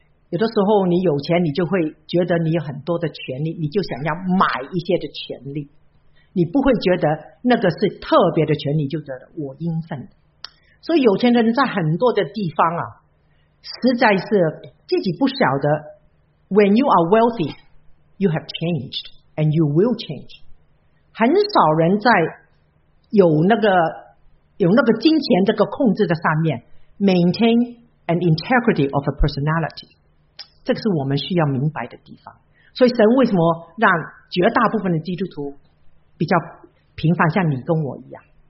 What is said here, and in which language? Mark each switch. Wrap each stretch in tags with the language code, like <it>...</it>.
<zh>有的时候你有钱，你就会觉得你有很多的权利，你就想要买一些的权利，你不会觉得那个是特别的权利，就觉得我应分的。所以有钱人在很多的地方啊，实在是自己不晓得。</zh> <en>When you are wealthy, you have changed and you will change.</en> <zh>很少人在有那个金钱这个控制的上面</zh> <en>maintain an integrity of a personality.</en> <zh>这个是我们需要明白的地方。所以神为什么让绝大部分的基督徒比较平凡，像你跟我一样？</zh>